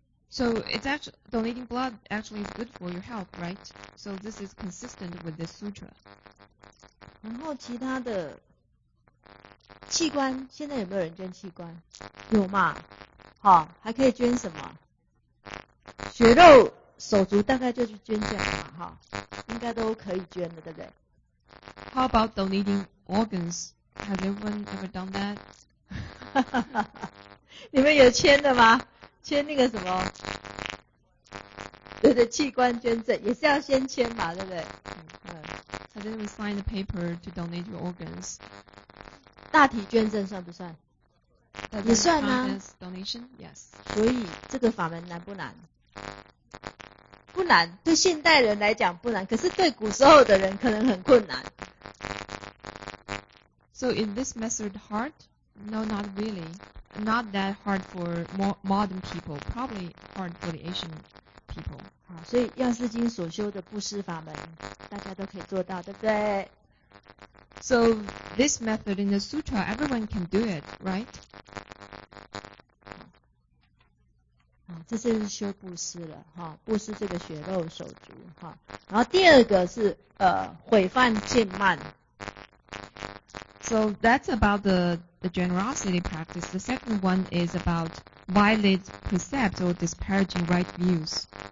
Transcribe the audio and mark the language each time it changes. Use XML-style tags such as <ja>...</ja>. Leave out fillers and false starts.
<en>So it's actually donating blood actually is good for your health, right? So this is consistent with this sutra.</en> <zh>然后其他的器官，现在有没有人捐器官？有嘛？好，还可以捐什么？血肉手足大概就是捐这样嘛，哈，应该都可以捐的，对不对？</zh> <en>How about donating organs? Has anyone ever done that?</en> <zh>你们有签的吗？签那个什么？对对，器官捐赠也是要先签嘛，对不对？</zh> <en>Has anyone signed a paper to donate your organs?</en> <zh>大体捐赠算不算？</zh> <en>That</en> <zh>也算啊。</zh> <en>Donation? Yes.</en> <zh>所以这个法门难不难？不难，对现代人来讲不难，可是对古时候的人可能很困难。</zh> <en>So is this method hard? No, not really. Not that hard for modern people. Probably hard for the Asian people.</en> <zh>好，所以药师经所修的布施法门，大家都可以做到，对不对？</zh> <en>So this method in the sutra, everyone can do it, right?</en> <zh>好，这是修布施了，哈，布施这个血肉手足，哈。然后第二个是毁犯禁慢。</zh> <en>So that's about the generosity practice. The second one is about violate precepts or disparaging right views.</en>